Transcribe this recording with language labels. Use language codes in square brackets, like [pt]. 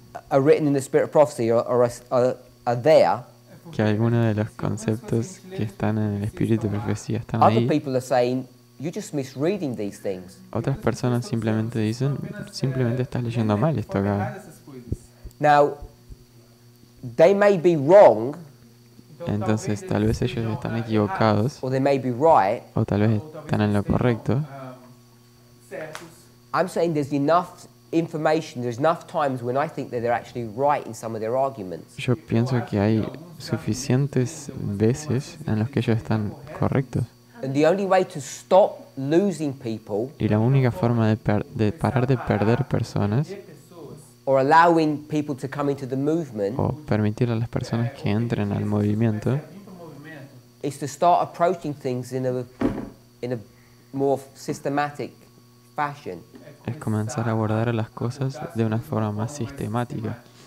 [en] Are written in the spirit of prophecy are there. [es] Que algunos de los conceptos que están en el espíritu de profecía están ahí. [en] Other people are saying you're just misreading these things. [es] Otras personas simplemente dicen simplemente estás leyendo mal esto acá. [en] Now they may be wrong. [es] Entonces tal vez ellos están equivocados. [en] Or they may be right. [es] O tal vez están en lo correcto. [en] I'm saying there's enough information, there's enough times when I think that they're actually right in some of their arguments. [es] Yo pienso que hay suficientes veces en los que ellos están correctos. [en] And the only way to stop losing people. [es] Y la única forma de parar de perder personas. [en] Or allowing people to come into the movement. [es] O permitir a las personas que entren al movimiento. [en] Is to start approaching things in a more systematic fashion. [es] Es comenzar a abordar las cosas de una forma más sistemática.